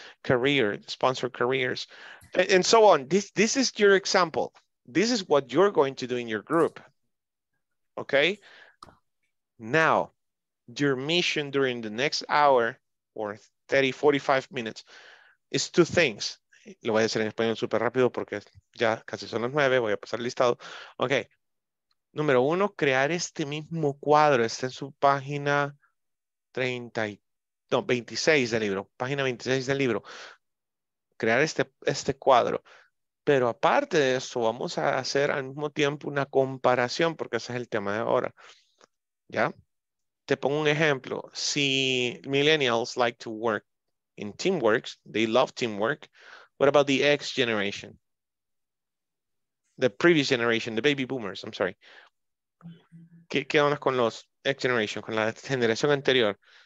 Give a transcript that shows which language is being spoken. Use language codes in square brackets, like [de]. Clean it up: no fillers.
[en] Career, sponsor careers, and so on. This is your example. This is what you're going to do in your group, okay? Now, your mission during the next hour or 30, 45 minutes is two things. [es] Lo voy a hacer en español súper rápido porque ya casi son las 9, voy a pasar listado. Okay, número uno, crear este mismo cuadro. Está en su página 26 del libro, página 26 del libro. Crear este cuadro. Pero aparte de eso, vamos a hacer al mismo tiempo una comparación porque ese es el tema de ahora. ¿Ya? Te pongo un ejemplo. [en] Si millennials like to work in teamwork, they love teamwork. What about the X generation? The previous generation, the baby boomers, I'm sorry. [es] ¿Qué onda con los X generation, con la generación anterior?